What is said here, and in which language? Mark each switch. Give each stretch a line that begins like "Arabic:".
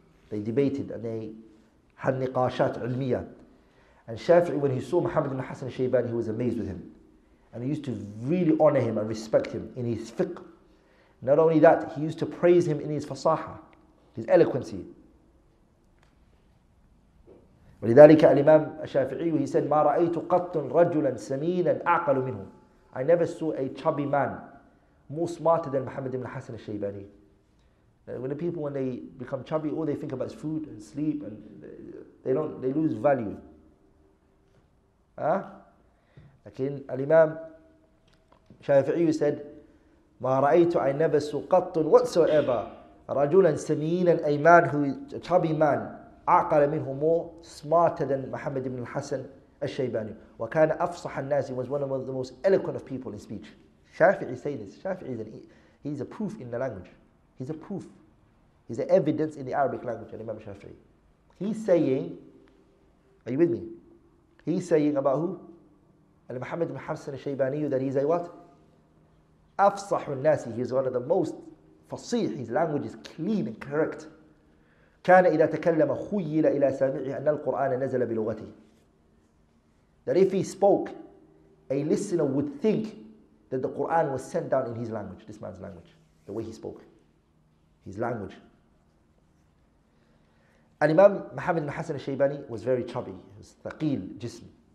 English: They debated and they had niqashat ulmiya. And Shafi'i, when he saw Muhammad ibn al-Hasan al-Shaybani, he was amazed with him. And he used to really honor him and respect him in his fiqh. Not only that, he used to praise him in his fasaha, his eloquency.
Arabic: ولذلك الإمام الشافعي,
English: he said,
Arabic: ما رأيت قط رجلا سمينا أعقل منه.
English: I never saw a chubby man more smarter than Muhammad ibn Hassan al-Shaybani. When the people, when they become chubby, all they think about is food and sleep, and they lose value.
Arabic: لكن الإمام الشافعي
English: said,
Arabic: ما رأيت,
English: I never saw قط whatsoever
Arabic: رجلا سمينا,
English: a man who is a chubby man,
Arabic: أعقل منه,
English: more smarter than Muhammad ibn al-Hasan al-Shaybani.
Arabic: وكان أفصح الناس,
English: he was one of the most eloquent of people in speech. Shafi'i is saying this. Shafi'i is he's a proof in the language. He's a proof. He's an evidence in the Arabic language, Imam Shafi'i. He's saying, are you with me? He's saying about who? Muhammad ibn al-Hasan al-Shaybani, that he's a what?
Arabic: أفصح الناس,
English: he's one of the most fasih, his language is clean and correct.
Arabic: كان إذا تكلم خيل إلى سامعه أن القرآن نزل بلغته.
English: That if he spoke, a listener would think that the Quran was sent down in his language, this man's language, the way he spoke, his language. And Imam Muhammad ibn Hassan al-Shaybani was very chubby, he was thaqil, jism.